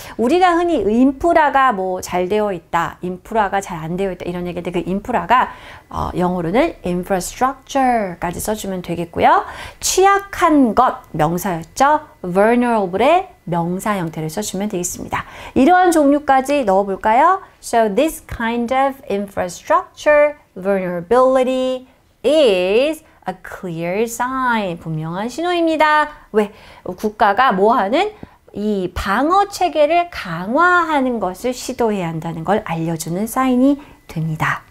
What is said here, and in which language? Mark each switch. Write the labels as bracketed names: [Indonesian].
[Korean] 우리가 흔히 인프라가 뭐 잘 되어 있다, 인프라가 잘 안 되어 있다 이런 얘기인데 그 인프라가 영어로는 infrastructure까지 써주면 되겠고요. 취약한 것, 명사였죠. vulnerable의 명사 형태를 써주면 되겠습니다. 이러한 종류까지 넣어볼까요? [English] So this kind of infrastructure vulnerability is a clear sign. [Korean] 분명한 신호입니다. 왜? 국가가 뭐 하는? 이 방어 체계를 강화하는 것을 시도해야 한다는 걸 알려주는 사인이 됩니다.